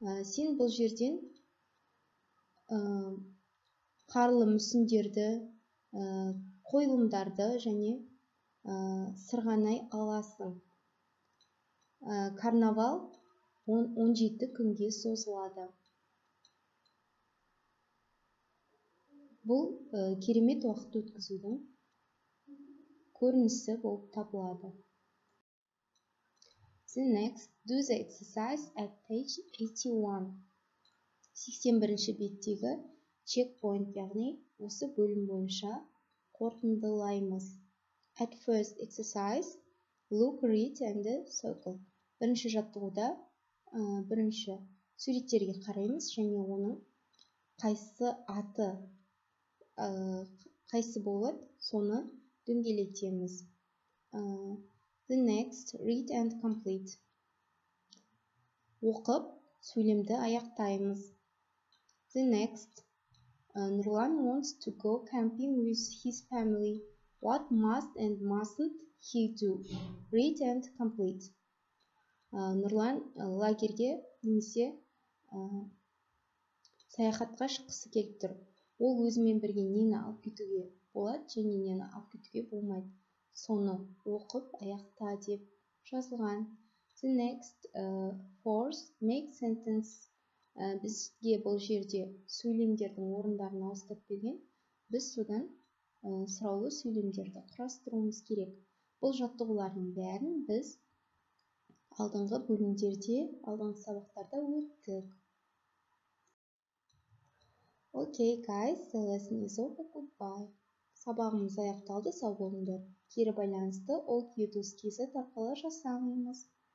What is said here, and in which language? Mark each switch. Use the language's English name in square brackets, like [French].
[Kazakh] Сен бұл жерден қарлы мүсіндерді, қойылымдарды және сырғанай аласың. Карнавал 17 күнге созылады. Бұл керемет уақыт өткізудің көрінісі болып табылады. Сіз [English] next do the exercise at page 81. [Kazakh] 81-ші беттегі checkpoint, яғни осы бөлім бойынша қорытындылаймыз. [English] At first exercise, look, read and circle. [Kazakh] Бірінші жаттығуда бірінші суреттерге қараймыз және оның қайсы аты қайсы болады, соны дөңгелетеміз. [English] The next, read and complete. [Kazakh] Оқып, сөйлемді аяқтаймыз. [English] The next, Nurlan wants to go camping with his family. What must and mustn't he do? Read and complete. [Kazakh] Нұрлан лагерге немесе саяхатқа шыққысы келіп тұр. Ол өзімен бірге нені алып кетуге болады және нені алып кетуге болмайды. Соны оқып аяқта деп жазылған. [English] The next force make sentence. [Kazakh] Бізге бұл жерде сөйлемдердің орындарын ауыстырып берген. Біз содан сұраулы сөйлемдерді құрастыруымыз керек. Бұл жаттығулардың бәрін біз алдыңғы бөлімдерде, алдыңғы сабақтарда өттік. [English] Okay guys, the lesson is over. Goodbye. [Kazakh] Сабағымыз аяқталды, сау болыңдар. Кері байланысты old you do's кезі тарқылы жасаңыз.